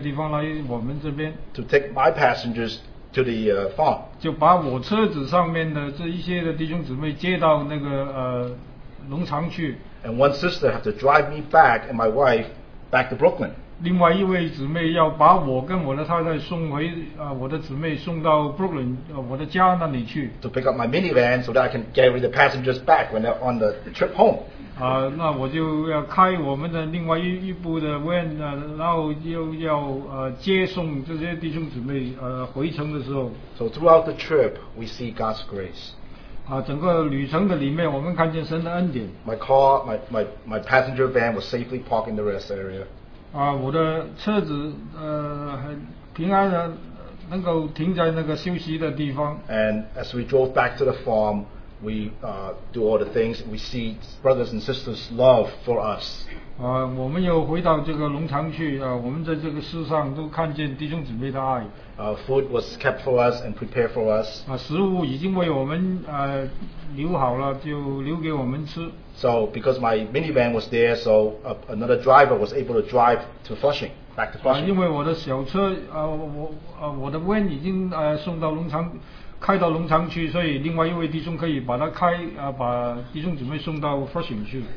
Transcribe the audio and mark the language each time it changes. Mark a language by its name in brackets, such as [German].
[Chinese] 有两位姊妹，他们的车已经到了那个，就是那个采梨子的地方，但是他们又要回来到这个休息的地方来我们这边。 [English] To take my passengers to the farm. [Chinese] 就把我车子上面的这一些的弟兄姊妹接到那个, ,农场去。 [English] And one sister had to drive me back and my wife back to Brooklyn. [Chinese] 另外一位姊妹要把我跟我的太太送回, 我的姊妹送到 Brooklyn, 我的家那里去。 [English] To pick up my minivan so that I can carry the passengers back when they're on the trip home. [Chinese] 那我就要开我们的另外一部的 van, 然后又要, 接送这些弟兄姊妹, 回程的时候。 [English] So throughout the trip, we see God's grace. [Chinese] 整个旅程的里面, 我们看见神的恩典。 [English] My passenger van was safely parked in the rest area. [Chinese] 我的车子, 很平安的, 能够停在那个休息的地方。 [English] And as we drove back to the farm, we do all the things. We see brothers and sisters' love for us. [Chinese] 我们又回到这个农场去, 我们在这个世上都看见弟兄姊妹的爱。 [English] Food was kept for us and prepared for us. [Chinese] 食物已经为我们, 留好了, 就留给我们吃。 [English] So because my minivan was there, so another driver was able to drive to Flushing, back to Flushing. [Chinese] 因为我的小车, 我的 van 已经, 送到农场, 开到农场去, 所以另外一位弟兄可以把他开, 把弟兄姊妹送到 Flushing去。